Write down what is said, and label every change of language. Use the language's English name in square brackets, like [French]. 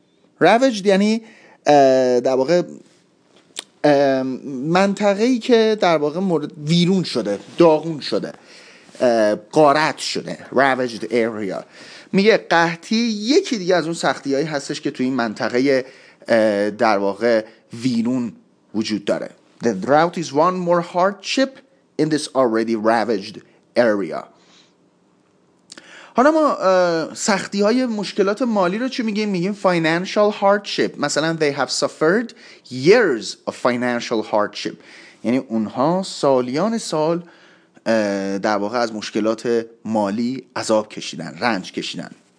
[Persian] ravaged یعنی در واقع منطقه‌ای که در واقع مورد ویرون شده، داغون شده، غارت شده. ravaged area میگه قحطی یکی دیگه از اون سختی‌هایی هستش که توی این منطقه در واقع ویرون وجود داره. [English] The drought is one more hardship in this already ravaged area. [Persian] حالا ما سختی های مشکلات مالی رو چی میگیم؟ میگیم financial hardship. مثلا [English] they have suffered years of financial hardship، [Persian] یعنی اونها سالیان سال در واقع از مشکلات مالی عذاب کشیدن، رنج کشیدن.